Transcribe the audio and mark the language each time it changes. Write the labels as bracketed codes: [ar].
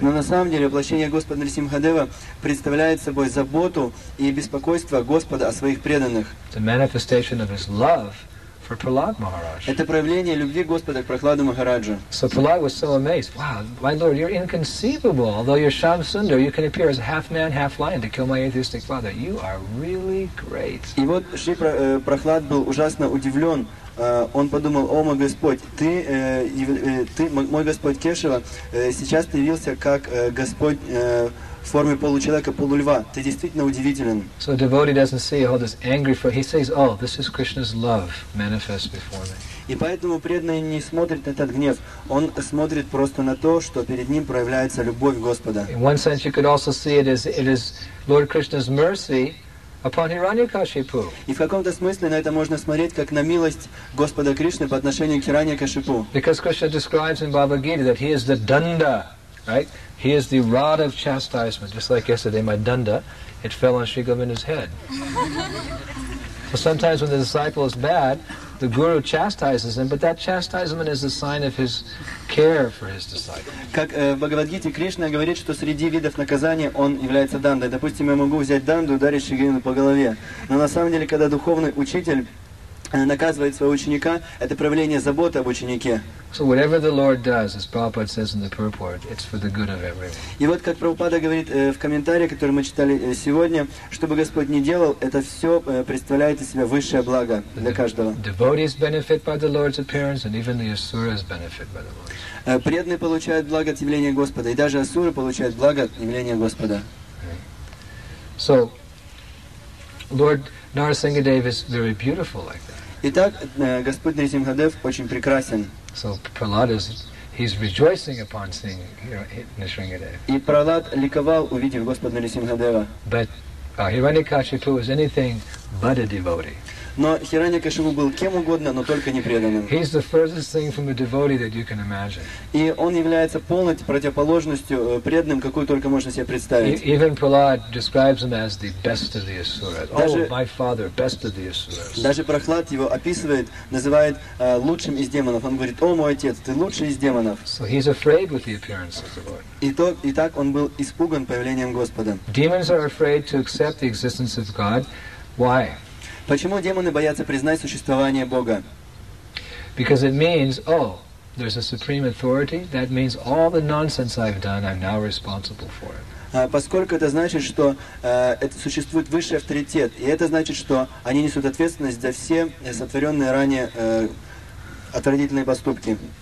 [ru] Но на самом деле воплощение Господа Нрисимхадева представляет собой заботу и беспокойство Господа о своих преданных. [en] The manifestation of his love. For Prahlad Maharaj. [ru] Это проявление любви Господа к Прахладу Махараджу. [en] So Prahlad was so amazed. Wow, my Lord, you're inconceivable. Although you're Shyam Sundar, you can appear as half man, half lion to kill my atheistic father. You are really great. [ru] И вот Шри Прахлад был ужасно удивлен. Он подумал: О мой Господь, ты мой Господь Кешава, сейчас ты явился как Господь. В форме получеловека, полульва. Ты действительно удивителен. [en] So devotee doesn't see all this angry for. He says, "Oh, this is Krishna's love manifest before me." [ru] И поэтому преданный не смотрит на этот гнев. Он смотрит просто на то, что перед ним проявляется любовь Господа. [en] In one sense, you could also see it is Lord Krishna's mercy upon Hiranyakashipu. [ru] И в каком-то смысле на это можно смотреть как на милость Господа Кришны по отношению к Hiranyakashipu. [en] Because Krishna describes in Bhagavad Gita that he is the danda, right? He is the rod of chastisement, just like yesterday, my danda, it fell on Sri Govinda's head. So sometimes when the disciple is bad, the guru chastises him, but that chastisement is a sign of his care for his disciple. [ru] Как в Бхагавад-гите Кришна говорит, что среди видов наказания он является дандой. Допустим, я могу взять данду и ударить Шри Говинду по голове. Но на самом деле, когда духовный учитель наказывает своего ученика, это проявление заботы об ученике. [en] So whatever the Lord does, as Prabhupada says in the purport, it's for the good of everyone. [ru] И вот как Прабхупада говорит в комментарии, который мы читали сегодня, что бы Господь ни делал, это все представляет из себя высшее благо для каждого. [en] Devotees benefit by the Lord's appearance, and even the asuras benefit by the Lord. [ru] Преданные получают благо от явления Господа, и даже асуры получают благо от явления Господа. [en] So Lord Narasimhadev is very beautiful like that. [ru] Итак, Господь Нрисимхадев очень прекрасен. [en] So Prahlad is, he's rejoicing upon seeing Nrisimhadev. [ru] И Прахлад ликовал, увидев Господа Нрисимхадева. [en] But Hiranyakashipu is anything but a devotee. [ru] Но Hiranyakashipu был кем угодно, но только не преданным. [en] He's the furthest thing from a devotee that you can imagine. [ru] И он является полной противоположностью преданным, какую только можно себе представить. [en] Even Prahlad describes him as the best of the asuras. Oh, my father, best of the asuras. [ru] Даже Прахлад его описывает, называет лучшим из демонов. Он говорит: О, мой отец, ты лучший из демонов. [en] So he's afraid with the appearance of the Lord. [ru] И так он был испуган появлением Господа. [en] Demons are afraid to accept the existence of God. Why? [ru] Почему демоны боятся признать существование Бога? [en] Because it means, oh, there's a supreme authority. That means all the nonsense I've done, I'm now responsible for it. [ru] Поскольку это значит, что это существует высший авторитет, и это значит, что они несут ответственность за все сотворенные ранее отвратительные поступки.